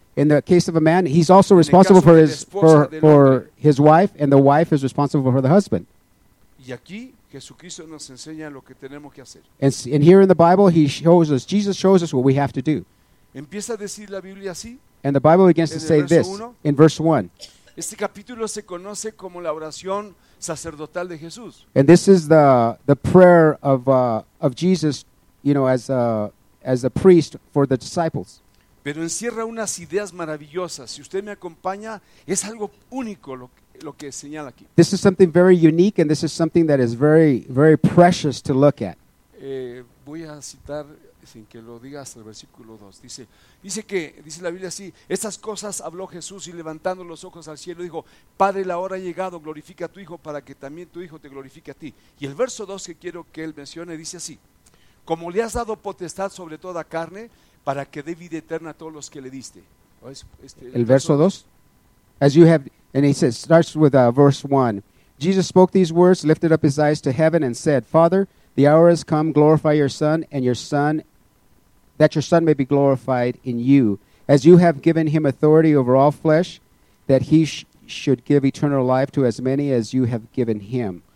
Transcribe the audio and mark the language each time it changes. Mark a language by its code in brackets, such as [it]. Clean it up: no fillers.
[en] In the case of a man he's also responsible for his for his wife and the wife is responsible for the husband. [es] Y aquí Jesucristo nos enseña lo que tenemos que hacer. [en] And here in the Bible, he shows us, Jesus shows us what we have to do. [es] Empieza a decir la Biblia así. [en] And the Bible begins to say this in verse 1. [es] Este capítulo se conoce como la oración sacerdotal de Jesús. [en] And this is the prayer of Jesus, you know, as a priest for the disciples. [es] Pero encierra unas ideas maravillosas. Si usted me acompaña, es algo único lo que señala aquí. [en] This is something very unique and this is something that is very, very precious to look at. [es] Voy a citar, sin que lo diga, hasta el versículo 2. Dice la Biblia así, estas cosas habló Jesús y levantando los ojos al cielo dijo, Padre, la hora ha llegado, glorifica a tu Hijo para que también tu Hijo te glorifique a ti. Y el verso 2 que quiero que él mencione dice así, como le has dado potestad sobre toda carne para que dé vida eterna a todos los que le diste. El verso 2. [en] As you have, and he says, starts with verse 1. Jesus spoke these words, lifted up his eyes to heaven and said, Father, the hour has come, glorify your Son and your Son, that your Son may be glorified in you. As you have given him authority over all flesh, that he should give eternal life to as many as you have given him.